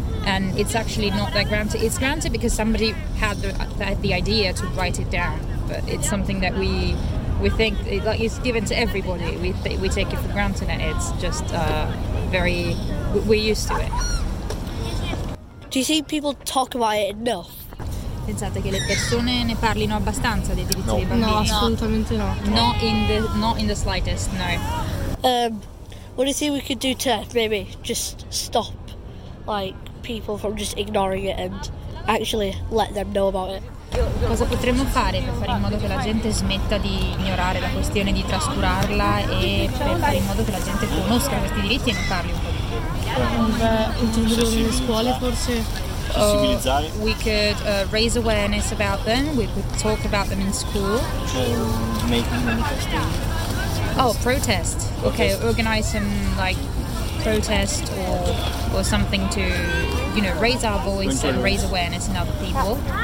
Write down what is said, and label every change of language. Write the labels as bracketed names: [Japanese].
[English] And it's actually not that granted. It's granted because somebody had the idea to write it down. But it's something that we think, like, it's given to everybody. We take it for granted, and it's just very, we're used to it. Do you think people talk about it enough? [Italian] Pensate che le persone ne parlino abbastanza dei diritti dei bambini? No, assolutamente no. [English] Not in the slightest, no. What do you think we could do to maybe just stop, like, people from just ignoring it and actually let them know about it? [Italian] Cosa potremmo fare per fare in modo che la gente smetta di ignorare la questione, di trascurarla e per fare in modo che la gente conosca questi diritti e ne parli un po' di più? Nelle scuole forse. [English] We could raise awareness about them. We could talk about them in school. Protest. Okay, organize some like protest or something to, you know, raise our voice and raise awareness in other people.